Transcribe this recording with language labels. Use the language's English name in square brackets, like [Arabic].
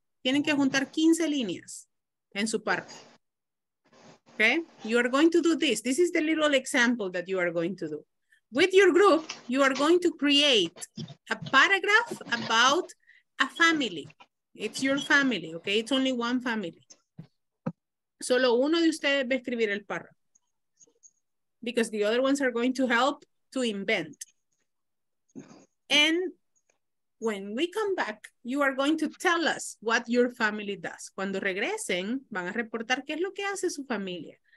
[Spanish] Tienen que juntar 15 líneas en su parte. [English] Okay? You are going to do this. This is the little example that you are going to do. With your group, you are going to create a paragraph about a family. It's your family, okay? It's only one family. [Spanish] Solo uno de ustedes va a escribir el párrafo. [English] Because the other ones are going to help to invent. And when we come back, you are going to tell us what your family does. [Spanish] Cuando regresen, van a reportar qué es lo que hace su familia.